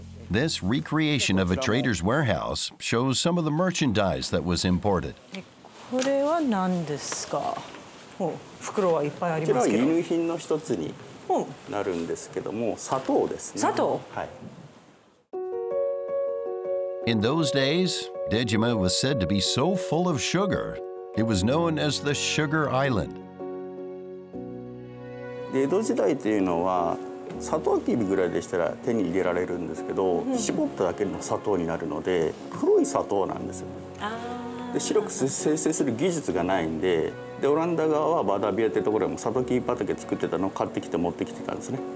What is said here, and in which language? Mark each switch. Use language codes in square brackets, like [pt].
[en] This recreation of a trader's warehouse shows some of the merchandise that was imported. [ja] これは何ですか？袋はいっぱいありますけど。これは輸入品の一つになるんですけども、砂糖ですね。砂糖？はい。 [en] In those days, Dejima was said to be so full of sugar, it was known as the Sugar Island. [ja] 江戸時代というのは、砂糖キビぐらいでしたら手に入れられるんですけど、絞っただけの砂糖になるので、黒い砂糖なんですよ。で白く生成する技術がないん でオランダ側はバダビアというところでもサトキ畑作ってたのを買ってきて持ってきてたんですね。